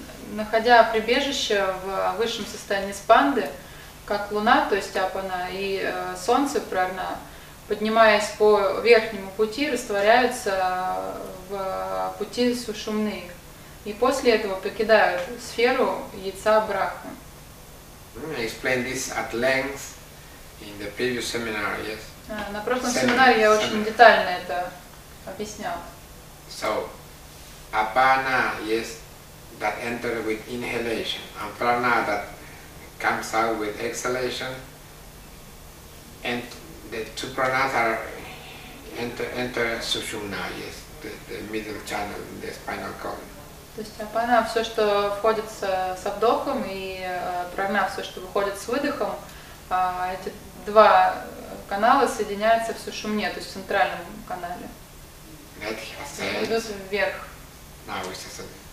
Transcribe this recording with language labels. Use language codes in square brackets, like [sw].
[ru] Находя прибежище в высшем состоянии Спанды, как луна, то есть апана, и солнце, прана, поднимаясь по верхнему пути, растворяются в пути Сушумны. И после этого покидают сферу яйца Брахмы. [en] I explained this at length in the previous seminar, yes? [ru] На прошлом семинаре я очень детально это объяснял. [en] So, apana, yes, that enter with inhalation, and prana that comes out with exhalation, and the two pranas are enter Sushumna, yes, the middle channel, the spinal column. [ru] То есть апана, все, что входит с вдохом, и прана, все, что выходит с выдохом, эти два канала соединяются в Сушумне, то есть в центральном канале. [en] That he has said. [ru] Идут вверх. [en] Now he has said.